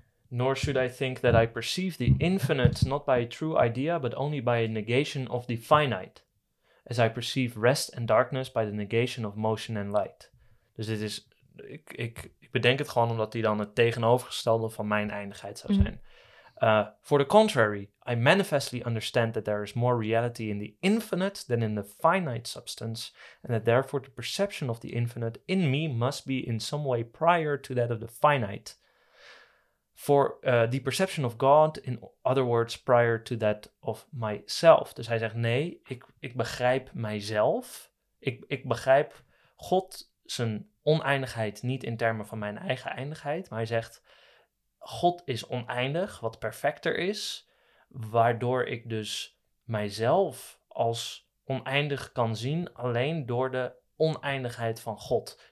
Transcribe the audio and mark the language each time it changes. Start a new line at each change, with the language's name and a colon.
English: Nor should I think that I perceive the infinite not by a true idea, but only by a negation of the finite. As I perceive rest and darkness by the negation of motion and light.
Dutch: Dus dit is... Ik bedenk het gewoon omdat die dan het tegenovergestelde van mijn eindigheid zou zijn.
English: For the contrary, I manifestly understand that there is more reality in the infinite than in the finite substance, and that therefore the perception of the infinite in me must be in some way prior to that of the finite. For the perception of God, in other words, prior to that of myself.
Dutch: Dus hij zegt, nee, ik begrijp mijzelf. Ik begrijp God zijn oneindigheid niet in termen van mijn eigen eindigheid, maar hij zegt, God is oneindig, wat perfecter is, waardoor ik dus mijzelf als oneindig kan zien alleen door de oneindigheid van God.